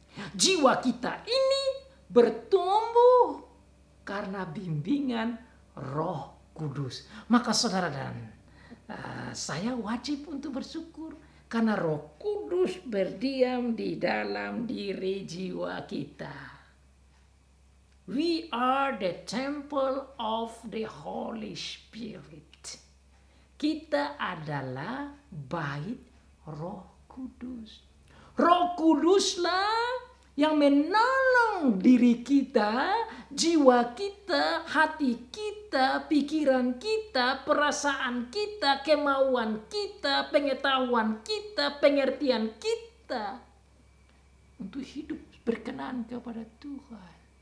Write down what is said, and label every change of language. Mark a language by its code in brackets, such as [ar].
[id] Jiwa kita ini bertumbuh karena bimbingan Roh Kudus. Maka saudara dan saya wajib untuk bersyukur karena Roh Kudus berdiam di dalam diri jiwa kita. [en] We are the temple of the Holy Spirit. [id] Kita adalah bait Roh Kudus. Roh Kuduslah yang menolong diri kita, jiwa kita, hati kita, pikiran kita, perasaan kita, kemauan kita, pengetahuan kita, pengertian kita untuk hidup berkenan kepada Tuhan.